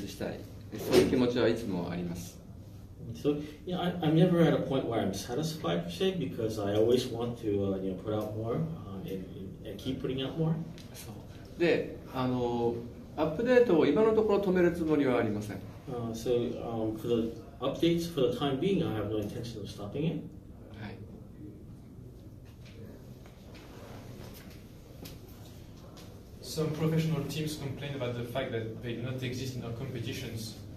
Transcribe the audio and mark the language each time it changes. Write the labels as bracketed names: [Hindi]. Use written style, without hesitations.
[Japanese] そうですね。常にね、満足するってことはないです。もっともっと出したい、もっとリリースしたい、そういう気持ちはいつもあります。 [English] So, yeah, I'm never at a point where I'm satisfied per se because I always want to put out more and keep putting out more. [Japanese] そう。で、アップデートを今のところ止めるつもりはありません。 [English] For the updates for the time being, I have no intention of stopping it. Some professional teams complain about the fact that they do not exist in our competitions.